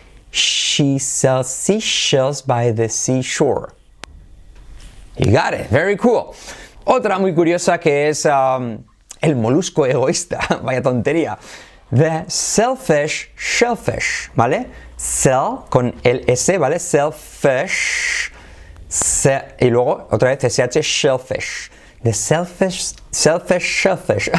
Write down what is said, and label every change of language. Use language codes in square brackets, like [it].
[en] She sells seashells by the seashore. You got it. Very cool. [es] Otra muy curiosa que es el molusco egoísta. Vaya tontería. [en] The selfish shellfish. [es] ¿Vale? Sell con el S. ¿Vale? Selfish. Se, y luego otra vez SH shellfish. [en] The selfish, selfish shellfish.